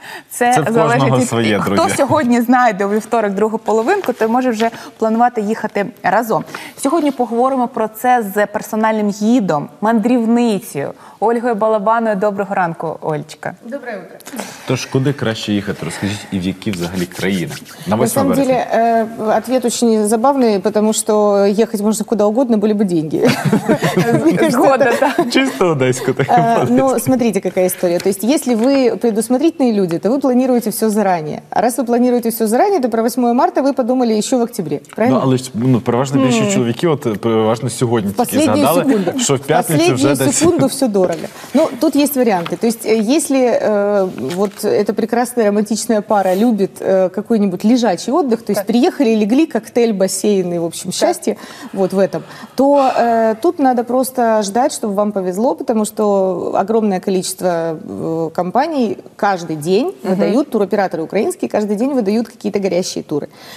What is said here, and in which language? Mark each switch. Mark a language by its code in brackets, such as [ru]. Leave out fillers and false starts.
[uk] Це залежить від своє, друзі. Хто сьогодні знайде у вівторок другу половинку, то може вже планувати їхати разом. Сьогодні поговоримо про це з персональним гідом, мандрівницею Ольгою Балабаною. Доброго ранку, Ольчка. [ru] Добре утро. [uk] Тож, куди краще їхати? Розкажіть, і в які взагалі країни? [ru] На самом деле, ответ очень забавний, потому что ехать можно куда угодно, были бы деньги. [uk] Згода, так. Чисто одеську. [ru] Ну, смотрите, какая история. То есть, если вы предусмотрительные люди, то вы планируете все заранее. А раз вы планируете все заранее, то про 8 марта вы подумали еще в октябре. Правильно? [uk] Ну, але ж, ну, переважно більше чоловіки, от, переважно сьогодні тільки згадали, що в п'ятницю вже десь... Дорого. [ru] Ну, тут есть варианты. То есть, если вот эта прекрасная романтичная пара любит какой-нибудь лежачий отдых, то есть так. Приехали, легли, коктейль, бассейн и, в общем, счастье так. Вот в этом, то тут надо просто ждать, чтобы вам повезло, потому что огромное количество компаний каждый день выдают, туроператоры украинские каждый день выдают какие-то горящие туры.